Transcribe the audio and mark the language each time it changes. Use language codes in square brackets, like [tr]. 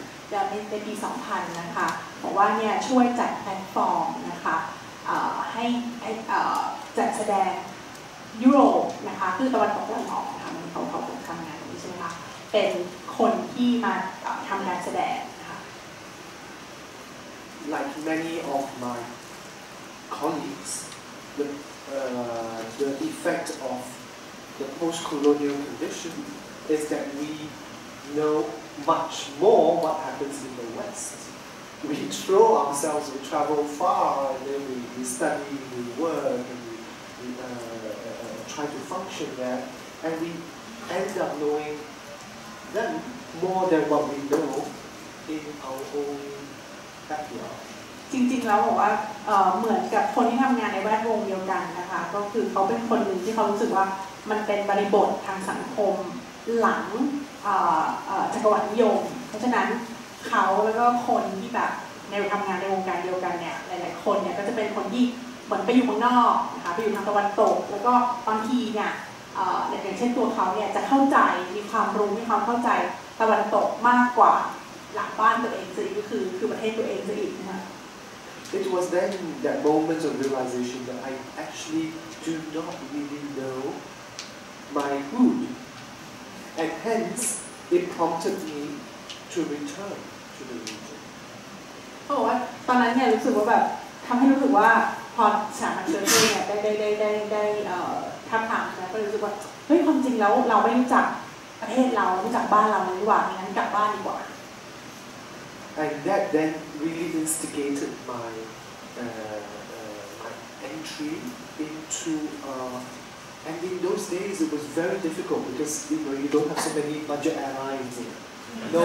[th] แล้วในปี2000นะคะบอกว่าเนี่ยช่วยจัดแพลตฟอร์มนะคะให้จัดแสดงยุโรปนะคะคือตะวันตกตะวันออกนะคะมันเขาทำงานใช่ไหมคะเป็นคนที่มาทำงานแสดงนะคะ [en] like many of my colleagues the effect of the post-colonial condition is that weknow much more what happens in the West. We throw ourselves, we travel far, and then we study, we work, and we try to function there, and we end up knowing them more than what we know in our own backyard. [th] จริงๆแล้วบอกว่าเหมือนกับคนที่ทำงานในแวดวงเดียวกันนะคะก็คือเขาเป็นคนหนึ่งที่เขารู้สึกว่ามันเป็นบริบททางสังคมหลัง จักรวรรดินิยมเพราะฉะนั้นเขาแล้วก็คนที่แบบในทำงานในวงการเดียวกันเนี่ยหลายๆคนเนี่ยก็จะเป็นคนที่เหมือนไปอยู่เมืองนอกนะคะไปอยู่ทางตะวันตกแล้วก็บางทีเนี่ยอย่างเช่นตัวเขาเนี่ยจะเข้าใจมีความรู้มีความเข้าใจตะวันตกมากกว่าหลังบ้านตัวเองซะอีกคือประเทศตัวเองซะอีกนะคะ [en] It was then that moment of realization that I actually do not really know my hoodAnd hence, it prompted me to return to the region. [th] Oh, ตอนนั้นเนี่ยรู้สึกว่าแบบทำให้รู้สึกว่าพอสามารถเจอเนี่ยได้ทักทายแล้วก็รู้สึกว่าเฮ้ยความจริงแล้วเราไม่รู้จักประเทศเรารู้จักบ้านเราดีกว่างั้นกลับบ้านดีกว่า [en] And that then really instigated my my entry into And in those days, it was very difficult because you know you don't have so many budget airlines, you know?